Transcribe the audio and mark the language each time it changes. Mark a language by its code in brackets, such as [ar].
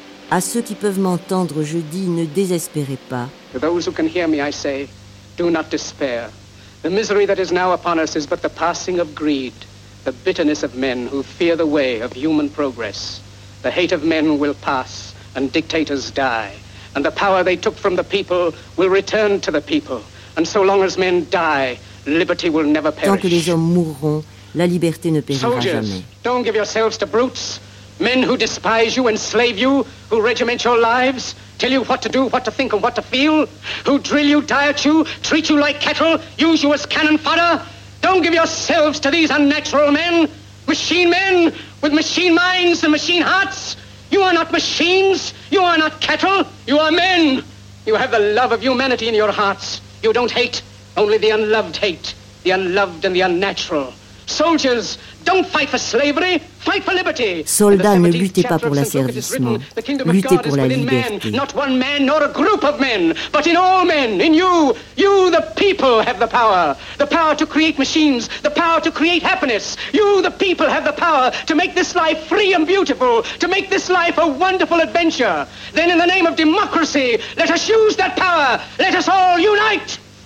[fr] À ceux qui peuvent m'entendre, je dis ne désespérez pas. [en] To those who can hear me, I say, do not despair. The misery that is now upon us is but the passing of greed, the bitterness of men who fear the way of human progress. The hate of men will pass, and dictators die, and the power they took from the people will return to the people. And so long as men die, liberty will never perish. [fr] Tant que les hommes mourront, la liberté ne périra jamais. [en] Soldiers, don't give yourselves to brutes. Men who despise you, enslave you, who regiment your lives, tell you what to do, what to think, and what to feel, who drill you, diet you, treat you like cattle, use you as cannon fodder. Don't give yourselves to these unnatural men, machine men with machine minds and machine hearts. You are not machines. You are not cattle. You are men. You have the love of humanity in your hearts. You don't hate. Only the unloved hate, the unloved and the unnatural. Soldiers, don't fight for slavery, fight for liberty. [fr] Soldats, ne luttez pas pour l'asservissement, luttez pour la liberté. [en] Not one man, nor a group of men, but in all men, in you, you the people have the power to create machines, the power to create happiness. You the people have the power to make this life free and beautiful, to make this life a wonderful adventure. Then in the name of democracy, let us use that power, let us all unite.